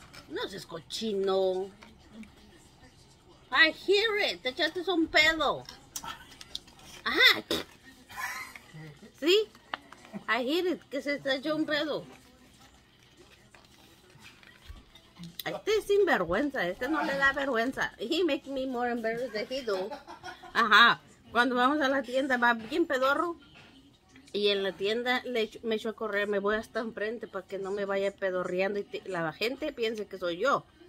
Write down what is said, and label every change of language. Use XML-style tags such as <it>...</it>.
<es>No seas cochino.</es> <en>I hear it,</en> <es>te echaste un pedo. Ajá. ¿Sí?</es> <en>I hear it,</en> <es>que se te echó un pedo. Este es sinvergüenza, este no le da vergüenza.</es> <en>He makes me more embarrassed than he do. Ajá.</en> <es>Cuando vamos a la tienda, va bien pedorro. Y en la tienda me echo a correr, me voy hasta enfrente para que no me vaya pedorreando y la gente piense que soy yo.</es>